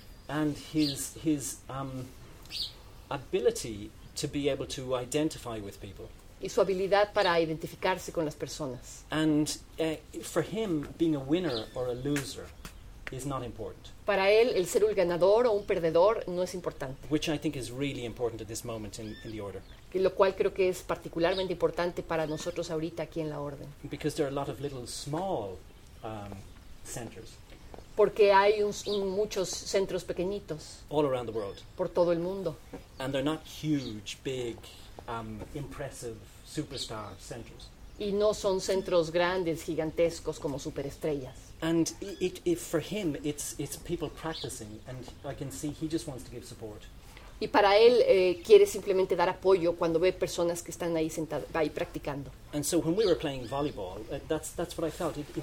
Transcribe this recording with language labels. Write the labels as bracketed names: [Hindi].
[English] And his ability to be able to identify with people. [Spanish] Y su habilidad para identificarse con las personas. [English] And for him, being a winner or a loser is not important. [Spanish] Para él, el ser un ganador o un perdedor no es importante. [English] Which I think is really important at this moment in the order. [Spanish] Que lo cual creo que es particularmente importante para nosotros ahorita aquí en la orden. [English] Because there are a lot of little small centers. [Spanish] Porque hay muchos centros pequeñitos. [English] All around the world. [Spanish] Por todo el mundo. [English] And they're not huge, big, impressive, superstar centers. [Spanish] Y no son centros grandes, gigantescos como superestrellas. [English] And it for him, it's people practicing, and I can see he just wants to give support. [Spanish] Y para él quiere simplemente dar apoyo cuando ve personas que están ahí sentadas, ahí practicando. [English] And so when we were playing volleyball, that's what I felt.